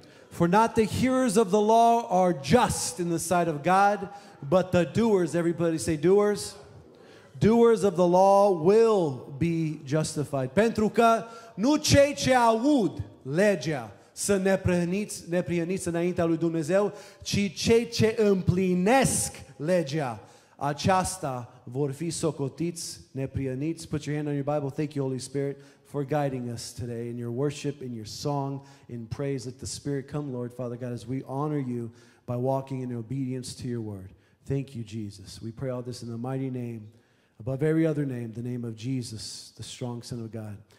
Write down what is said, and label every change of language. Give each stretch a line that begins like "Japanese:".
English: For not the hearers of the law are just in the sight of God, but the doers, everybody say doers. Doers of the law will be justified.
Romanian: Pentru că nu cei ce aud legea să neprihăniți înaintea lui Dumnezeu, ci cei ce împlinesc legea, aceasta vor fi socotiți neprihăniți.
English: Put your hand on your Bible. Thank you, Holy Spirit, for guiding us today in your worship, in your song, in praise. Let the Spirit come, Lord, Father God, as we honor you by walking in obedience to your word. Thank you, Jesus. We pray all this in the mighty name, above every other name, the name of Jesus, the strong Son of God.